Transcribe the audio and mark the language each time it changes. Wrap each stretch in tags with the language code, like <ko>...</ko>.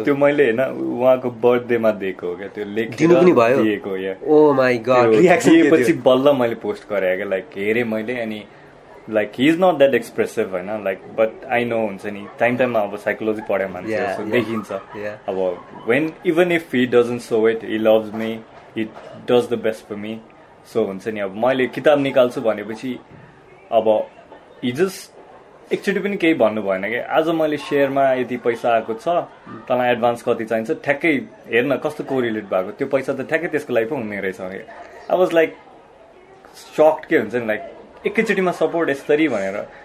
<ne>त्यो मैले होइन उहाँको बर्थडेमा दिएको हो क्या, त्यो लेखिदिएको.</ne> <en>oh my God,</en> <ne>रिएक्सन दिएपछि बल्ल मैले पोस्ट गरेँ क्या, लाइक हेरेँ मैले. अनि like</ne> <en>he is not that expressive</en> <ne>होइन, लाइक</ne> <en>but I know</en> <ne>हुन्छ नि टाइम टाइममा अब साइकोलोजी पढ्यो मान्छे देखिन्छ.</ne> <en>अब when even if he doesn't show it, he loves me, he does the best for me.</en> <ne>So हुन्छ नि अब मैले किताब निकाल्छु भनेपछि अब हिजस एकचोटि पनि केही भन्नु भएन कि, आज मैले सेयरमा यति पैसा आएको छ, तँलाई एडभान्स कति चाहिन्छ ठ्याक्कै हेर्न कस्तो कोरिलेट भएको, त्यो पैसा त ठ्याक्कै त्यसको लागि पो हुने रहेछ.</ne> <en>I was like sucked</en> <ne>के हुन्छ नि, लाइक एकैचोटिमा सपोर्ट यसरी भनेर.</ne>